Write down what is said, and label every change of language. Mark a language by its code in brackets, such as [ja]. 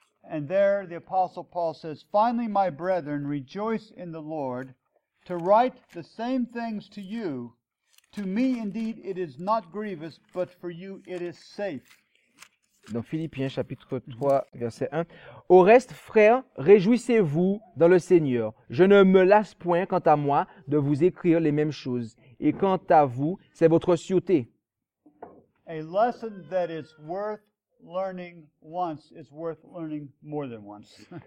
[en] And there the apostle Paul says, "Finally my brethren, rejoice in the Lord. To write the same things to you, to me indeed it is not grievous, but for you it is safe." [fr] Dans Philippiens chapitre 3 verset 1. Au reste, frères, réjouissez-vous dans le Seigneur. Je ne me lasse point quant à moi de vous écrire les mêmes choses. Et quant à vous, c'est votre sûreté. [en] A lesson that is worth learning once is worth learning more than once.